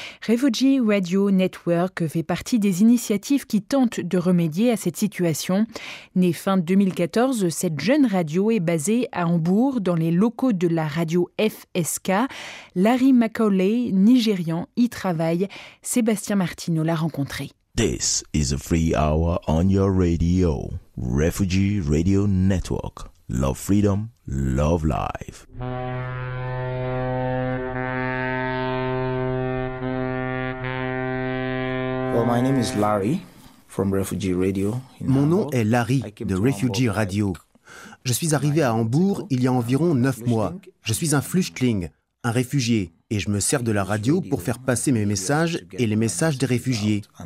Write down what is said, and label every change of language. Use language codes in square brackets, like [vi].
[fr] Refugee Radio Network fait partie des initiatives qui tentent de remédier à cette situation. Née fin 2014, cette jeune radio est basée à Hambourg, dans les locaux de la radio FSK. Larry McAuley, nigérian, y travaille. Sébastien Martineau l'a rencontré. [en] This is a free hour on your radio. Refugee Radio Network. Love freedom, love life. Well, my name is Larry from Refugee Radio. [fr] Mon nom est Larry de Refugee Radio. Je suis arrivé à Hambourg il y a environ 9 mois. Je suis un Flüchtling, un réfugié, et je me sers de la radio pour faire passer mes messages et les messages des réfugiés.